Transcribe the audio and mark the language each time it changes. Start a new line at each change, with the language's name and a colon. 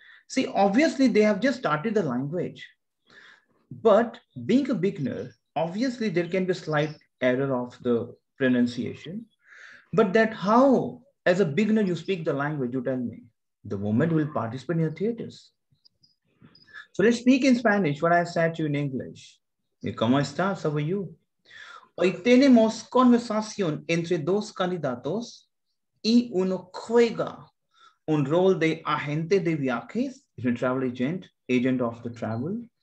English: See, obviously, they have just started the language. But being a beginner, obviously, there can be a slight error of the pronunciation. But that how, as a beginner, you speak the language, you tell me. The woman will participate in your theaters. So let's speak in Spanish what I said to you in English.
Spanish: ¿Cómo estás?
English: How are you?
Spanish: Hoy tenemos conversación entre dos candidatos y uno juega un rol de agente de viajes.
English: It's a travel agent, agent of the travel.